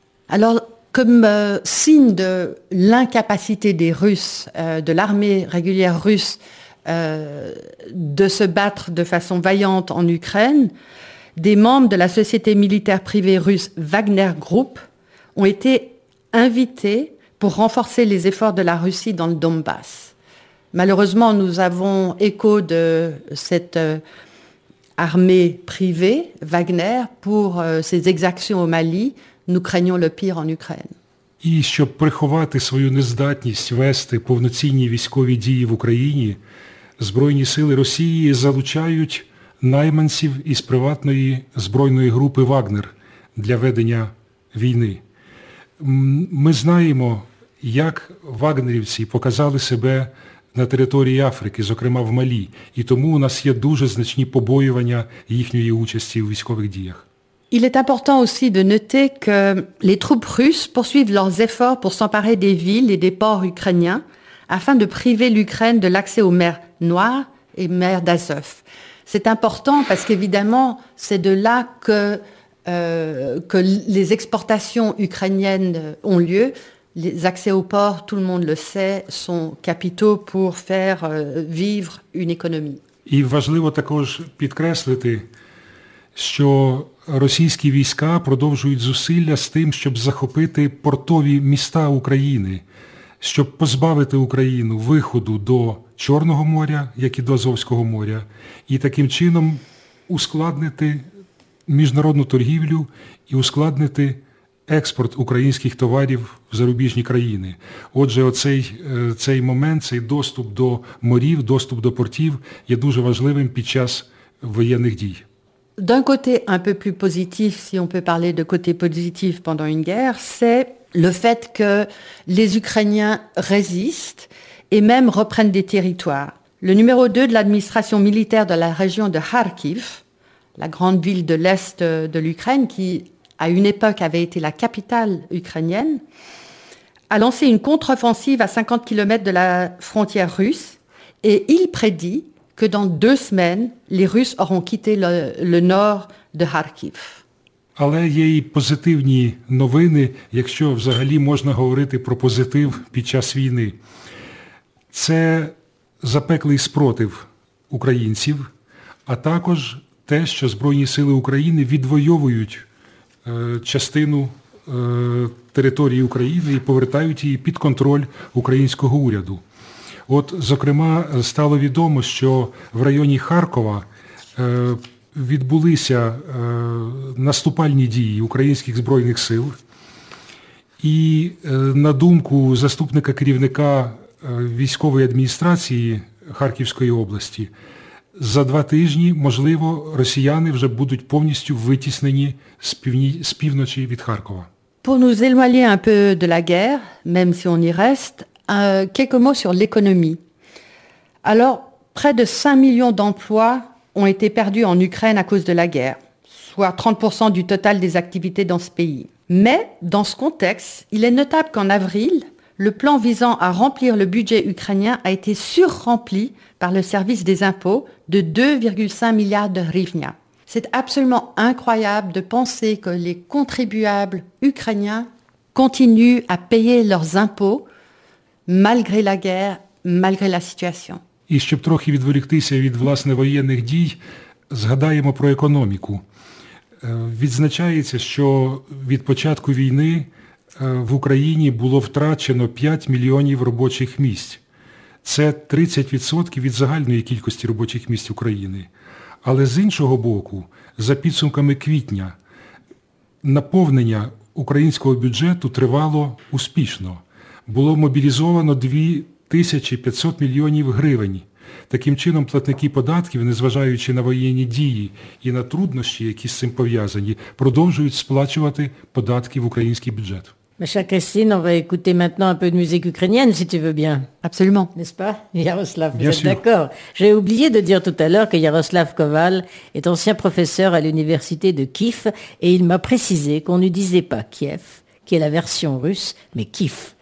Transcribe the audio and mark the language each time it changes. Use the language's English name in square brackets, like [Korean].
[French] Alors, comme signe de l'incapacité des Russes, de l'armée régulière russe, de se battre de façon vaillante en Ukraine, des membres de la société militaire privée russe Wagner Group ont été invités pour renforcer les efforts de la Russie dans le Donbass. Malheureusement, nous avons écho de cette armée privée, Wagner, pour ses exactions au Mali. Nous craignons le pire en Ukraine. [Ukrainian] І щоб приховати свою нездатність вести повноцінні військові дії в Україні, Збройні сили Росії залучають найманців із приватної збройної групи «Вагнер» для ведення війни. Ми знаємо, як вагнерівці показали себе на території Африки, зокрема в Малі, і тому у нас є дуже значні побоювання їхньої участі у військових діях. [French] Il est important aussi de noter que les troupes russes poursuivent leurs efforts pour s'emparer des villes et des ports ukrainiens afin de priver l'Ukraine de l'accès aux mers Noires et mers d'Azov. C'est important parce qu'évidemment, c'est de là que les exportations ukrainiennes ont lieu. Les accès aux ports, tout le monde le sait, sont capitaux pour faire vivre une économie. [Ukrainian] І важливо також підкреслити, що російські війська продовжують зусилля з тим, щоб захопити портові міста України, щоб позбавити Україну виходу до Чорного моря, як і до Азовського моря, і таким чином ускладнити міжнародну торгівлю і ускладнити експорт українських товарів в зарубіжні країни. Отже, цей момент, цей доступ до морів, доступ до портів є дуже важливим під час воєнних дій. [French] D'un côté un peu plus positif, si on peut parler de côté positif pendant une guerre, c'est le fait que les Ukrainiens résistent et même reprennent des territoires. Le numéro 2 de l'administration militaire de la région de Kharkiv, la grande ville de l'est de l'Ukraine, qui à une époque avait été la capitale ukrainienne, a lancé une contre-offensive à 50 km de la frontière russe et il prédit que dans 2 semaines, les Russes auront quitté le nord de Kharkiv. [Ukrainian] Але є й позитивні новини, якщо взагалі можна говорити про позитив під час війни. Це запеклий спротив українців, а також те, що Збройні сили України відвоюють частину території України і повертають її під контроль українського уряду. От, зокрема, стало відомо, що в районі Харкова відбулися наступальні дії українських збройних сил. І на думку заступника керівника військової адміністрації Харківської області, за 2 тижні, можливо, росіяни вже будуть повністю витіснені з півночі від Харкова. [French] Pour nous éloigner un peu de la guerre, même si on y reste, quelques mots sur l'économie. Alors, près de 5 millions d'emplois ont été perdus en Ukraine à cause de la guerre, soit 30% du total des activités dans ce pays. Mais, dans ce contexte, il est notable qu'en avril, le plan visant à remplir le budget ukrainien a été surrempli par le service des impôts de 2,5 milliards de hryvnia. C'est absolument incroyable de penser que les contribuables ukrainiens continuent à payer leurs impôts malgré la guerre, malgré la situation. [Ukrainian] І щоб трохи відволіктися від, власне, воєнних дій, згадаємо про економіку. Відзначається, що від початку війни в Україні було втрачено 5 мільйонів робочих місць. Це 30% від загальної кількості робочих місць України. Але з іншого боку, за підсумками квітня, наповнення українського бюджету тривало успішно. Було мобілізовано 2500 мільйонів гривень. Таким чином, платники податків, незважаючи на воєнні дії і на труднощі, які з цим пов'язані, продовжують сплачувати податки в український бюджет. [French] Ma chère Christine, on va écouter maintenant un peu de musique ukrainienne, si tu veux bien. Absolument. N'est-ce pas, Yaroslav, vous êtes d'accord. J'ai oublié de dire tout à l'heure que Yaroslav Koval est ancien professeur à l'université de Kiev et il m'a précisé qu'on ne disait pas Kiev, qui est la version russe, mais Kiev.